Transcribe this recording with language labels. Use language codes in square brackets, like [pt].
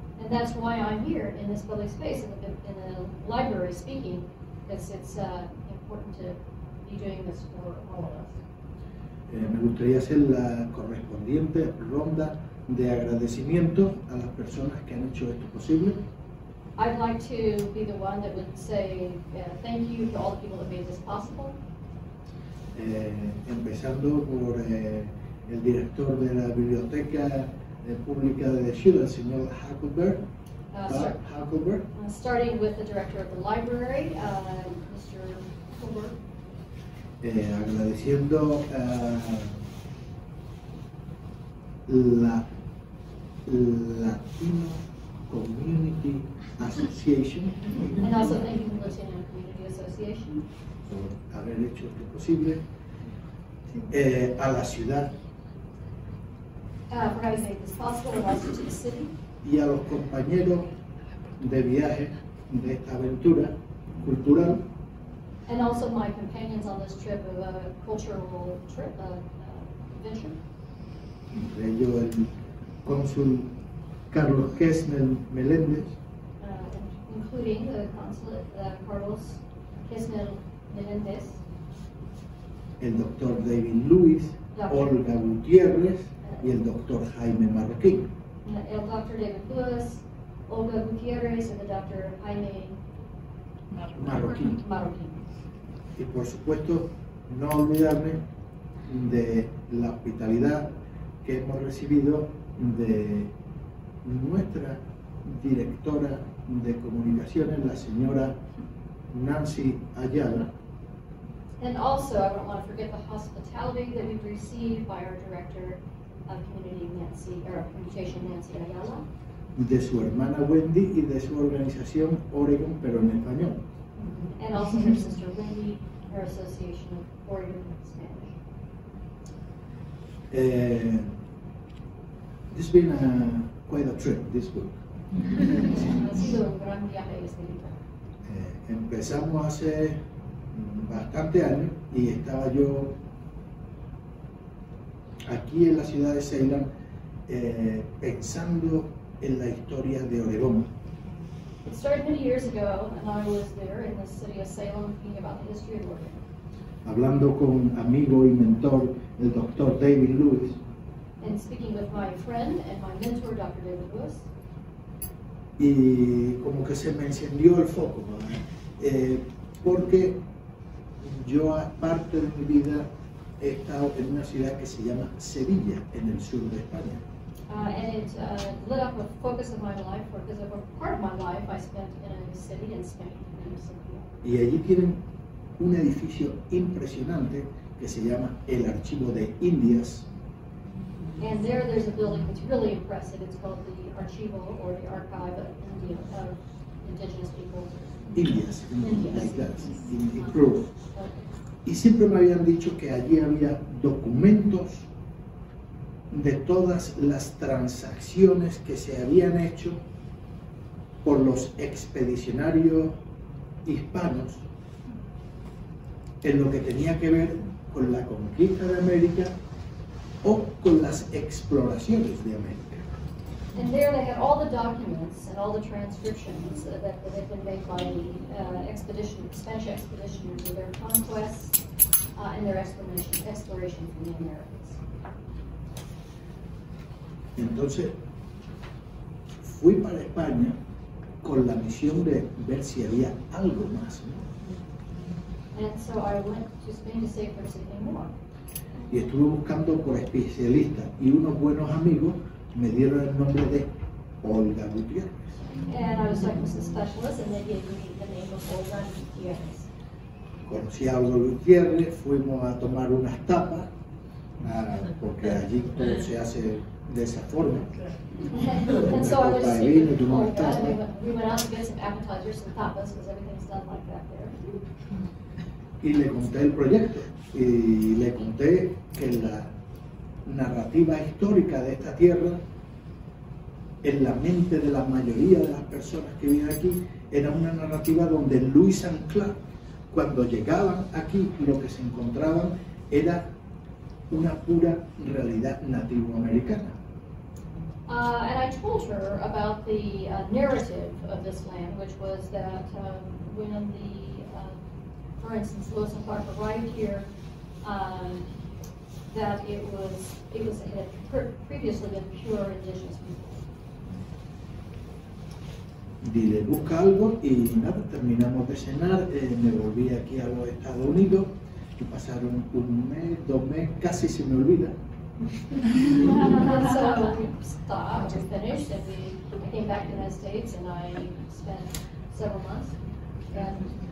[en] And that's why I'm here in this public space in the library speaking, because it's important to be doing this for all of us. [es] Me gustaría hacer la correspondiente ronda de agradecimiento a las personas que han hecho esto posible. [en] I'd like to be the one that would say thank you to all the people that made this possible. [es] Empezando por el director de la Biblioteca Pública de Deschutes, el señor Huckleberg. Kilberg. [en] Starting with the director of the library, Mr. Kilberg. [es] Agradeciendo la Latino Community Association. [en] And also thanking the Latino Community Association [es] por haber hecho esto posible. A la ciudad. [en] For having made this possible, and also to the city. [es] Y a los compañeros de viaje de esta aventura cultural. [en] And also my companions on this trip of a cultural trip, a adventure. [es] Entre ellos el cónsul Carlos Gessner Meléndez. [en] Including the consulate Carlos Gessner Meléndez. [es] El doctor David Luis, doctor. Olga Gutiérrez y el doctor Jaime Marroquín. El doctor David Luis, Olga Gutiérrez y el doctor Jaime Marroquín. Marroquín. Y por supuesto, no olvidarme de la hospitalidad que hemos recibido de nuestra directora de comunicaciones, la señora Nancy Ayala. [en] And also, I don't want to forget the hospitality that we've received by our director of community, Nancy, or communication, Nancy Ayala. [es] De su hermana Wendy y de su organización Oregon, pero en español. [en] And also her sister Wendy, her association of Oregon in Spanish. It's been quite a trip this week. [es] Ha sido un gran viaje este libro. Empezamos hace bastante años y estaba yo aquí en la ciudad de Ceylan pensando en la historia de Oregón. [en] It started many years ago and I was there in the city of Ceylan thinking about the history of Oregon. [es] Hablando con amigo y mentor, el doctor David Lewis. [en] And speaking with my friend and my mentor, Dr. David Lewis. [es] Y como que se me encendió el foco, ¿no? Porque yo, aparte de mi vida, he estado en una ciudad que se llama Sevilla, en el sur de España. [en] Lit up a focus of my life, or because of a part of my life I spent in a city in Spain, Sevilla. [es] Y allí tienen un edificio impresionante que se llama el Archivo de Indias. [en] And there's a building that's really impressive. It's called the Archivo, or the Archive of Indigenous Peoples. Indias, like that, in the group. [es] Y siempre me habían dicho que allí había documentos de todas las transacciones que se habían hecho por los expedicionarios hispanos en lo que tenía que ver con la conquista de América o con las exploraciones de América. [en] And there they had all the documents and all the transcriptions that had been made by the Spanish expeditioners with their conquests and their explorations in the Americas. [es] Entonces, fui para España con la misión de ver si había algo más, ¿no? [en] And so I went to Spain to see if there was anything more. [es] Y estuve buscando por especialistas y unos buenos amigos me dieron el nombre de Olga Gutiérrez. [en] And I was like, a specialist, and they gave me the name of Olga Gutiérrez. [es] Conocí a Olga Gutiérrez, fuimos a tomar unas tapas, porque allí todo se hace de esa forma. [en] And so I was like, we went out to get some appetizers, some tapas, because everything's done like that there. [es] Y le conté el proyecto, y le conté que la narrativa histórica de esta tierra en la mente de la mayoría de las personas que viven aquí era una narrativa donde Lewis and Clark, cuando llegaban aquí, lo que se encontraban era una pura realidad nativoamericana. [en] And I told her about the narrative of this land, which was that when the for instance Lewis and Clark arrived here, that it was, it was, it had previously been pure indigenous people. [es] Dile, busca algo, y nada, terminamos de cenar, me volví aquí a los Estados Unidos, y pasaron un mes, dos meses, casi se me olvida. [en] And so I went back to the United States, So we stopped, we finished, and I came back to the United States, and I spent several months, and